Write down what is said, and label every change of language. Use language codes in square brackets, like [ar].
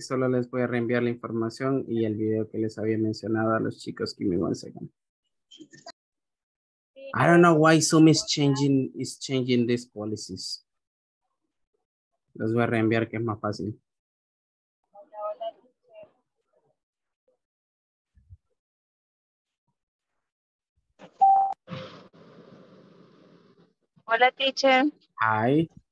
[es] Solo les voy a reenviar la información y el video que les había mencionado a los chicos. [en] Give me one second. I don't know why Zoom is changing these policies. [es] Les voy a reenviar que es más fácil. Hola, teacher. [en] Hi.